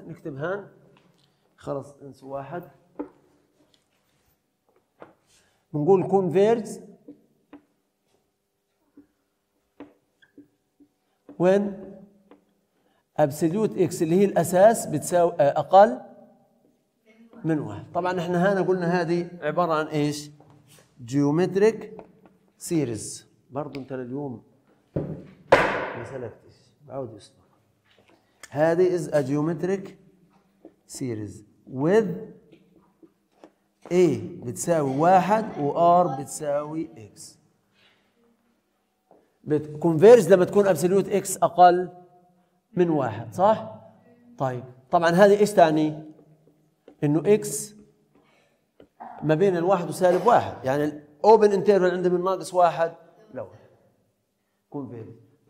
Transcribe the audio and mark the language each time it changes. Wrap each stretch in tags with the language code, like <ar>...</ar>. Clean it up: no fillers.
<ar>نكتب هان خلص انس واحد، بنقول كونفيرج وين ابسوليوت اكس اللي هي الاساس بتساوي اقل من واحد. طبعا احنا هنا قلنا هذه عباره عن ايش؟ جيومتريك سيريز. برضو انت لليوم ما سلكتش، بعود اسمع. هذه</ar> <en>is a geometric series with a</en> <ar>بتساوي واحد و</ar> <en>r</en> <ar>بتساوي</ar> <en>x.</en> <ar>بتconverge لما تكون absolute x أقل من واحد، صح؟ طيب طبعا هذه ايش تعني؟ انه x ما بين الواحد وسالب واحد، يعني open interval عندما ناقص واحد لو converge.</ar>